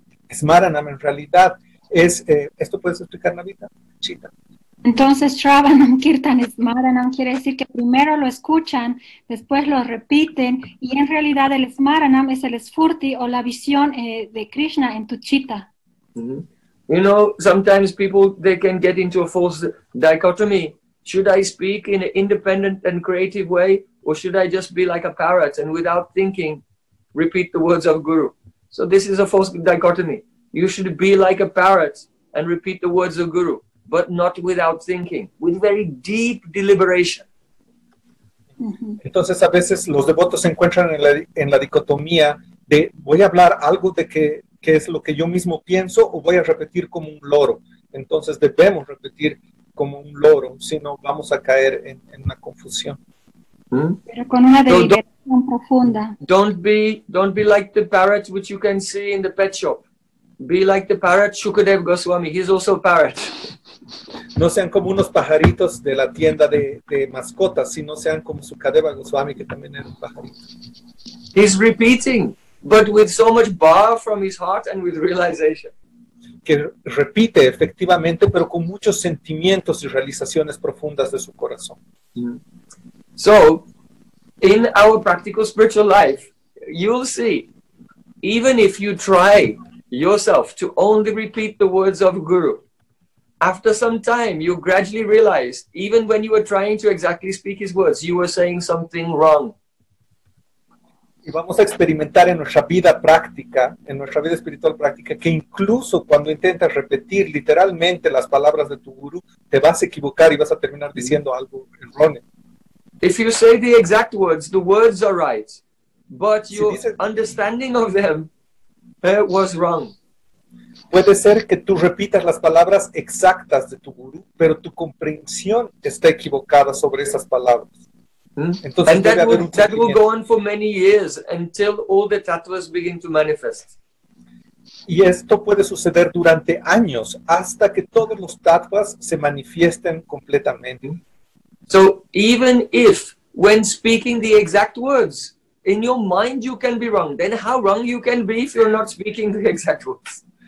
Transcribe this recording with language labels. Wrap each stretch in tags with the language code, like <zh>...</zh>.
<es>Smaranam, en realidad, es... ¿esto puedes explicar, Navita? Chita. Entonces, Shravanam, Kirtan, Smaranam quiere decir que primero lo escuchan, después lo repiten, y en realidad el Smaranam es el Sfurti o la visión de Krishna en tu chitta.</es> <en>You know, sometimes people, they can get into a false dichotomy. Should I speak in an independent and creative way, or should I just be like a parrot and without thinking, repeat the words of Guru? So this is a false dichotomy. You should be like a parrot and repeat the words of Guru, but not without thinking, with very deep deliberation.</en> <es>Entonces, a veces los devotos se encuentran en la dicotomía de voy a hablar algo de que es lo que yo mismo pienso o voy a repetir como un loro. Entonces, debemos repetir como un loro, si no vamos a caer en una confusión. Pero con una deliberación profunda.</es> <en>Don't be like the parrots which you can see in the pet shop. Be like the parrot, Shukadev Goswami. He's also a parrot.</en> <es>No sean como unos pajaritos de la tienda de mascotas, sino sean como Shukadeva Goswami, que también era un pajarito.</es> <en>He's repeating, but with so much bar from his heart and with realization.</en> <es>Que repite efectivamente, pero con muchos sentimientos y realizaciones profundas de su corazón.</es> <en>So, in our practical spiritual life, you'll see, even if you try yourself to only repeat the words of Guru, after some time, you gradually realize, even when you were trying to exactly speak his words, you were saying something wrong.</en> <es>Y vamos a experimentar en nuestra vida práctica, en nuestra vida espiritual práctica, que incluso cuando intentas repetir literalmente las palabras de tu Guru, te vas a equivocar y vas a terminar diciendo algo erróneo.</es> <en>If you say the exact words, the words are right, but your understanding of them was wrong.</en> <es>Puede ser que tú repitas las palabras exactas de tu gurú, pero tu comprensión está equivocada sobre esas palabras. Entonces,</es> <en>and that will go on for many years until all the tattvas begin to manifest.</en> <es>Y esto puede suceder durante años hasta que todos los tattvas se manifiesten completamente.</es> <en>So even if when speaking the exact words in your mind you can be wrong, then how wrong you can be if you're not speaking the exact words?</en>